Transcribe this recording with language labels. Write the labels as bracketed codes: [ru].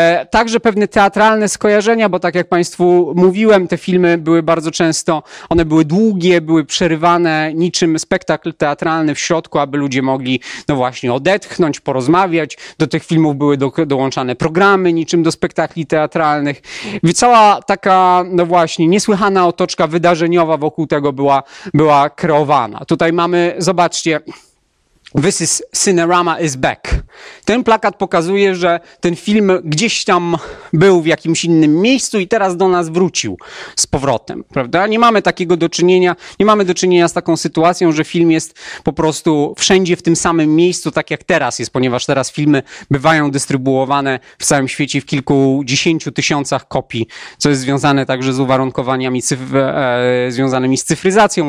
[pl] Także pewne teatralne skojarzenia, bo tak jak Państwu mówiłem, te filmy były bardzo często, one były długie, były przerywane niczym spektakl teatralny w środku, aby ludzie mogli no właśnie odetchnąć, porozmawiać. Do tych filmów były dołączane programy niczym do spektakli teatralnych. Cała taka no właśnie niesłychana otoczka wydarzeniowa wokół tego była kreowana. Tutaj mamy, zobaczcie, [en] This is Cinerama is back. [pl] Ten plakat pokazuje, że ten film gdzieś tam był w jakimś innym miejscu i teraz do nas wrócił z powrotem, prawda? Nie mamy takiego do czynienia, nie mamy do czynienia z taką sytuacją, że film jest po prostu wszędzie w tym samym miejscu, tak jak teraz jest, ponieważ teraz filmy bywają dystrybuowane w całym świecie w kilkudziesięciu tysiącach kopii, co jest związane także z uwarunkowaniami związanymi z cyfryzacją.